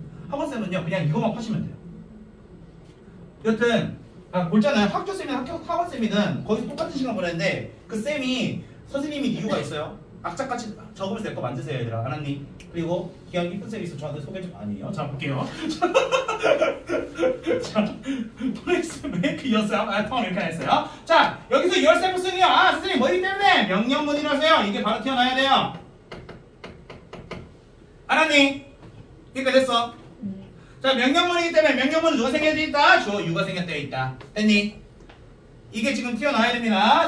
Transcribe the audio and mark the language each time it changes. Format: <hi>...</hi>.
<ko>학원쌤은요 그냥 이것만 파시면 돼요. 여튼 볼잖아요. 학교쌤이나 학원쌤이든 거기서 똑같은 시간 보냈는데 그 쌤이 선생님인 이유가 있어요. 악착같이 적으면서 내 거 만드세요 얘들아. 하나님. 그리고 기왕 이쁜 쌤이 있어 저한테 소개 좀 아니에요. 자, 볼게요.</ko> <en>자, please make yourself at home</en> <ko>이렇게 했어요. 자, 여기서 yourself 쓰니요. 아, 선생님 뭐이기 때문에 명령문이라서요. 이게 바로 튀어나와야 돼요. 알았니? 그러니까 됐어. 자, 명령문이기 때문에 명령문은 누가 생겨져 있다? 주어 유가 생겨져 있다. 됐니? 이게 지금 튀어나와야 됩니다.</ko>